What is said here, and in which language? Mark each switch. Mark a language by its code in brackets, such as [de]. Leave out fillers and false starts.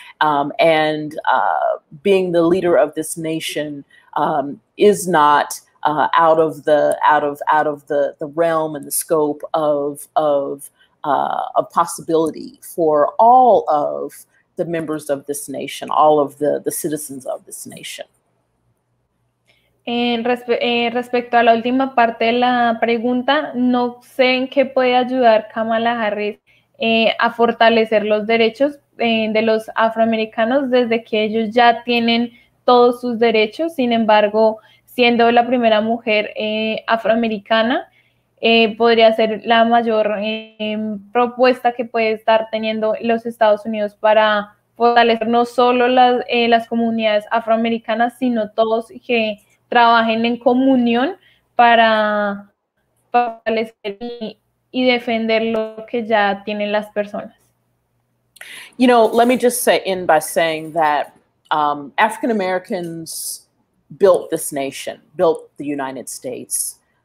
[en] And being the leader of this nation is not out of the realm and the scope of a possibility for all of the members of this nation, all of the citizens of this nation. [es] Respecto a la última parte de la pregunta, no sé en qué puede ayudar Kamala Harris a fortalecer los derechos de los afroamericanos desde que ellos ya tienen todos sus derechos. Sin embargo, siendo la primera mujer afroamericana, podría ser la mayor propuesta que puede estar teniendo los Estados Unidos para fortalecer no solo las comunidades afroamericanas, sino todos que trabajen en comunión para fortalecer y defender lo que ya tienen las personas. [en] You know, let me just say in by saying that African Americans built this nation, built the United States.